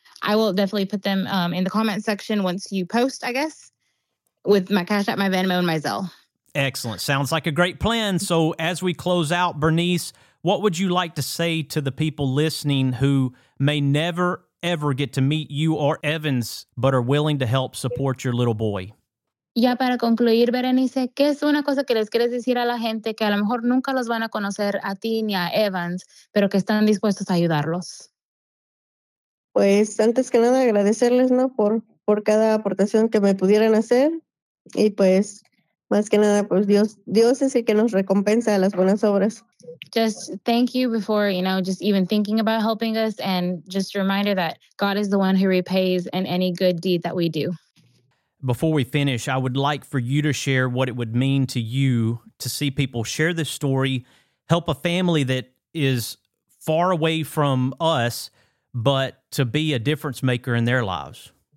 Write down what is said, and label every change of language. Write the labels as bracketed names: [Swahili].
[English] I will definitely put them in the comment section once you post, I guess, with my Cash App, my Venmo, and my Zelle. Excellent. Sounds like a great plan. So as we close out, Bernice, what would you like to say to the people listening who may never, ever get to meet you or Evans, but are willing to help support your little boy? [Spanish] Ya para concluir, Berenice, ¿qué es una cosa que les quieres decir a la gente que a lo mejor nunca los van a conocer a ti ni a Evans, pero que están dispuestos a ayudarlos? Pues antes que nada agradecerles, ¿no? Por cada aportación que me pudieran hacer. Y pues más que nada, pues Dios es el que nos recompensa las buenas obras. [English] Just thank you before, you know, just even thinking about helping us, and just a reminder that God is the one who repays in any good deed that we do. Before we finish, I would like for you to share what it would mean to you to see people share this story, help a family that is far away from us, but to be a difference maker in their lives.